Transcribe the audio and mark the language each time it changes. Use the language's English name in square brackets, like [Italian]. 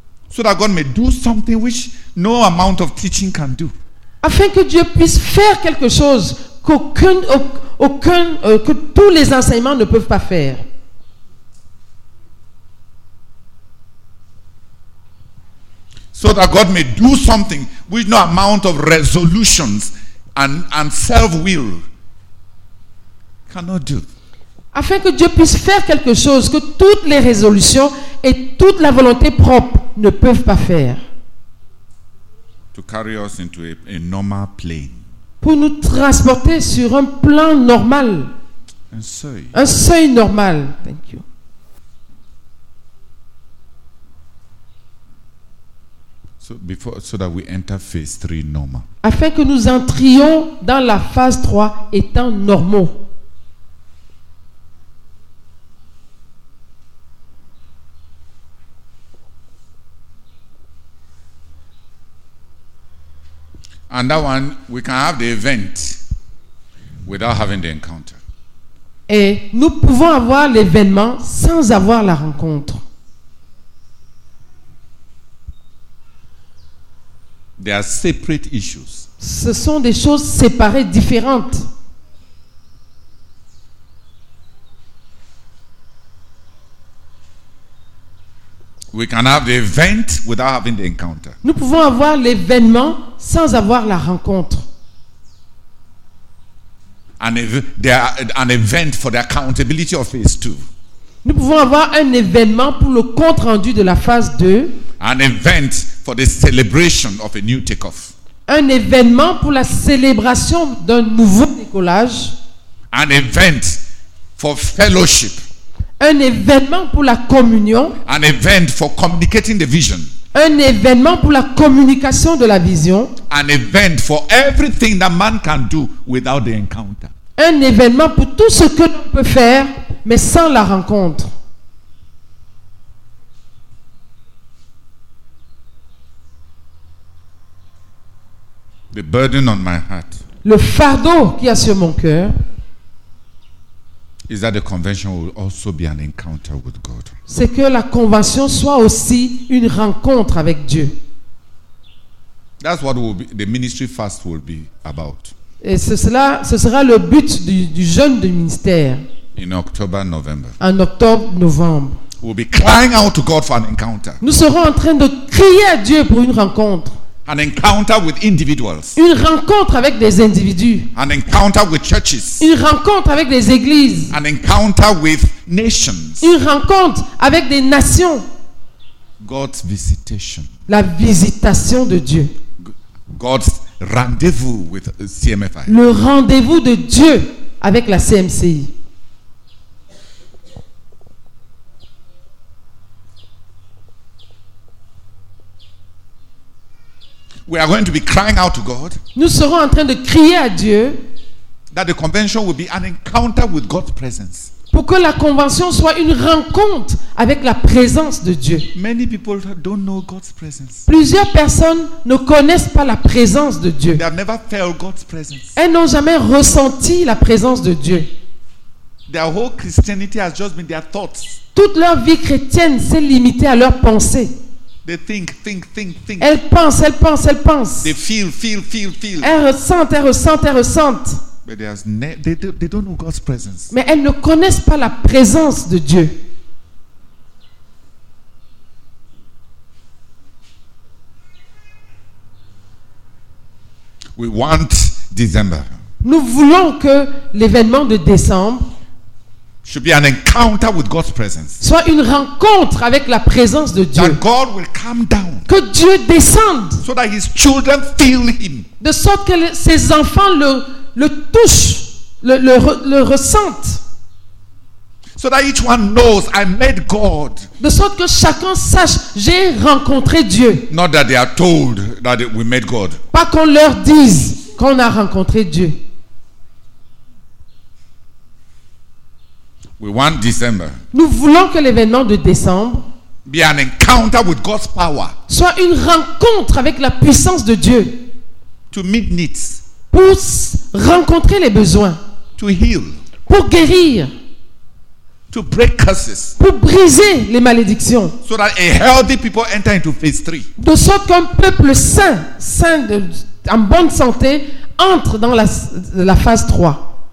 [English] So that God may do something which no amount of teaching can do. [French] Afin que Dieu puisse faire quelque chose que tous les enseignements ne peuvent pas faire. [English] So that God may do something which no amount of resolutions and self-will cannot do. [French] Afin que Dieu puisse faire quelque chose que toutes les résolutions et toute la volonté propre ne peuvent pas faire. [English] To carry us into a normal plane. [French] Pour nous transporter sur un plan normal. Un seuil [English] normal. Thank you. So that we enter phase 3 normal. [French] Afin que nous entrions dans la phase 3 étant normaux. [English] And that one, we can have the event without having the encounter. [French] Et nous pouvons avoir l'événement sans avoir la rencontre. [English] They are separate issues. [French] Ce sont des choses séparées, différentes. [English] We can have the event without having the encounter. [French] Nous pouvons avoir l'événement sans avoir la rencontre. [English] An event for the accountability of phase 2. [French] Nous pouvons avoir un événement pour le compte rendu de la phase 2. [English] An event for the celebration of a new takeoff. [French] Un événement pour la célébration d'un nouveau décollage. [English] An event for fellowship. [French] Un événement pour la communion. [English] An event for communicating the vision. [French] Un événement pour la communication de la vision. [English] An event for everything that man can do without the encounter. [French] Un événement pour tout ce que l'on peut faire, mais sans la rencontre. [English] The burden on my heart. [French] Le fardeau qui a sur mon cœur. [English] Is that the convention will also be an encounter with God? [French] C'est que la convention soit aussi une rencontre avec Dieu. [English] That's what will be, the ministry fast will be about. [French] Et ce sera le but du jeûne du ministère. [English] In October, November. [French] En octobre, novembre. [English] We'll be crying out to God for an encounter. [French] Nous serons en train de crier à Dieu pour une rencontre. [English] An encounter with individuals. [French] Une rencontre avec des individus. [English] An encounter with churches. [French] Une rencontre avec des églises. [English] An encounter with nations. [French] Une rencontre avec des nations. [English] God's visitation. [French] La visitation de Dieu. [English] God's rendezvous with CMFI. [French] Le rendez-vous de Dieu avec la CMCI. [English] We are going to be crying out to God. [French] Nous serons en train de crier à Dieu. [English] That the convention will be an encounter with God's presence. [French] Pour que la convention soit une rencontre avec la présence de Dieu. [English] Many people don't know God's presence. [French] Plusieurs personnes ne connaissent pas la présence de Dieu. [English] They have never felt God's presence. [French] Elles n'ont jamais ressenti la présence de Dieu. [English] Their whole Christianity has just been their thoughts. [French] Toute leur vie chrétienne s'est limitée à leurs pensées. [English] They think. [French] Elles pensent. [English] They feel. [French] Elles ressentent. [English] But they don't know God's presence. [French] Mais elles ne connaissent pas la présence de Dieu. [English] We want December. [French] Nous voulons que l'événement de décembre [English] should be an encounter with God's presence. [French] Soit une rencontre avec la présence de Dieu. [English] That God will come down. [French] Que Dieu descende. [English] So that His children feel Him. [French] De sorte que ses enfants le touchent, le ressentent. [English] So that each one knows I met God. [French] De sorte que chacun sache j'ai rencontré Dieu. [English] Not that they are told that we met God. [French] Pas qu'on leur dise qu'on a rencontré Dieu. [English] We want December. [French] Nous voulons que l'événement de décembre [English] Be an encounter with God's power. [French] Soit une rencontre avec la puissance de Dieu. [English] To meet needs. [French] Pour rencontrer les besoins. [English] To heal. [French] Pour guérir. [English] To break curses. [French] Pour briser les malédictions. [English] So that a healthy people enter into phase 3. [French] De sorte qu'un peuple saint, saint de, en bonne santé, entre dans la phase 3.